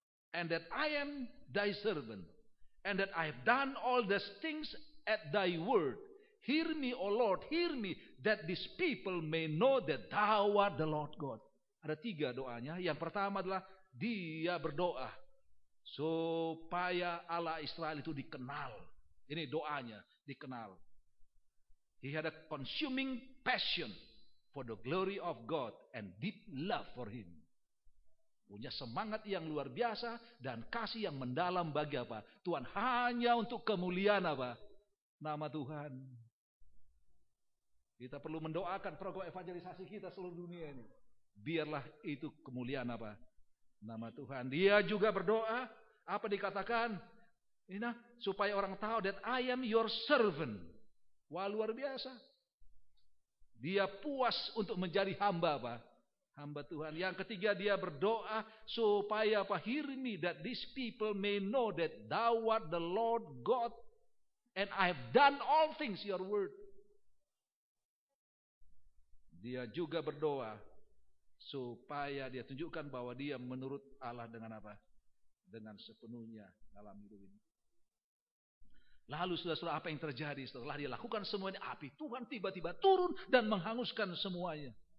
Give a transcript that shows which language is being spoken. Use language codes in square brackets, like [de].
[en] And that I am thy servant, and that I have done all these things at thy word. Hear me, O Lord, hear me, that these people may know that thou art the Lord God. [id] Ada tiga doanya. Yang pertama adalah dia berdoa supaya Allah Israel itu dikenal. Ini doanya, dikenal. [en] He had a consuming passion for the glory of God and deep love for him. [id] Punya semangat yang luar biasa dan kasih yang mendalam bagi apa? Tuhan, hanya untuk kemuliaan apa? Nama Tuhan. Kita perlu mendoakan program evangelisasi kita seluruh dunia ini. Biarlah itu kemuliaan apa? Nama Tuhan. Dia juga berdoa, apa dikatakan? Ina, supaya orang tahu [en] that I am your servant. [id] Wah, luar biasa. Dia puas untuk menjadi hamba apa? Hamba Tuhan. Yang ketiga dia berdoa supaya apa? [en] Hear me that these people may know that thou art the Lord God and I have done all things your word. [id] Dia juga berdoa supaya dia tunjukkan bahwa dia menurut Allah dengan apa? Dengan sepenuhnya dalam hidup ini. Lalu sudah apa yang terjadi setelah dia lakukan semua ini? Api Tuhan tiba-tiba turun dan menghanguskan semuanya.